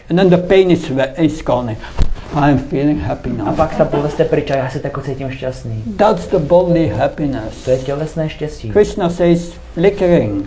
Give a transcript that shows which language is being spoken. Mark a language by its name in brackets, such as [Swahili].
[English] And then the pain is gone. I'm feeling happy now. [Czech] A pak ta bolest je pryč a já se tak cítím šťastný. [English] That's the bodily happiness. [Czech] To je tělesné štěstí. [English] Krishna says flickering.